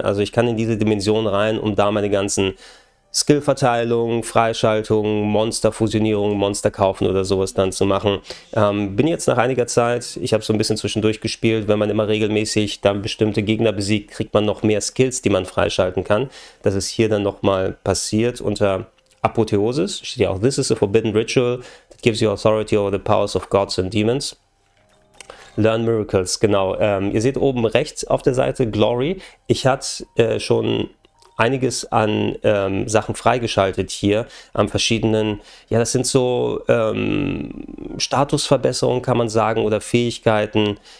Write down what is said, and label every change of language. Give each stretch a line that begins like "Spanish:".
German: Also ich kann in diese Dimension rein, um da meine ganzen Skillverteilungen, Freischaltungen, Monsterfusionierungen, Monster kaufen oder sowas dann zu machen. Bin jetzt nach einiger Zeit, ich habe so ein bisschen zwischendurch gespielt, wenn man immer regelmäßig dann bestimmte Gegner besiegt, kriegt man noch mehr Skills, die man freischalten kann. Das ist hier dann nochmal passiert unter Apotheosis. Steht ja auch,
English: this is a forbidden ritual. Gives you authority over the powers of gods and demons. Learn miracles, genau.
German: Ihr seht oben rechts auf der Seite Glory. Ich hatte schon einiges an Sachen freigeschaltet hier an verschiedenen, ja, das sind so Statusverbesserungen, kann man sagen, oder Fähigkeiten,